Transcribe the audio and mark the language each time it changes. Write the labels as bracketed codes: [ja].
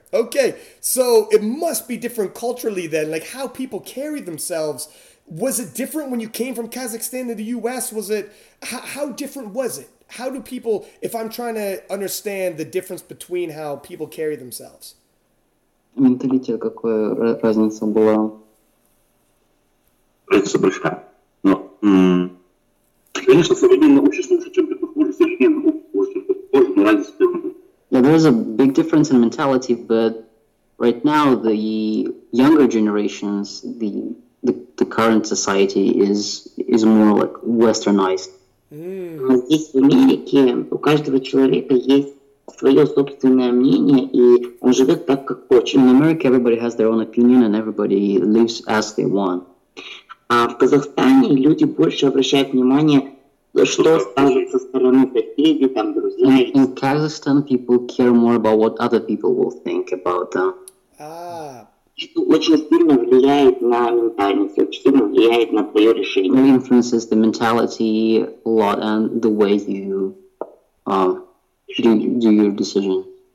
[en] Okay, so it must be different culturally then, like how people carry themselves. Was it different when you came from Kazakhstan to the U.S.? Was it, how different was it? How do people, if I'm trying to understand the difference between how people carry themselves? [ru] Менталитет, какая разница была? Разница большая. Но, конечно, современное общество уже чем-то похоже, но разница... [en] Yeah, there is a big difference in mentality, but right now the younger generations, the current society is more like westernized. [ru] Здесь в Америке у каждого человека есть свое собственное мнение, и он живет так, как хочет. [en] In America, everybody has their own opinion, and everybody lives as they want. [ru] А в Казахстане люди больше обращают внимание. [en] In Kazakhstan, people care more about what other people will think about them. Ah. It influences the mentality a lot and the way you do your decision.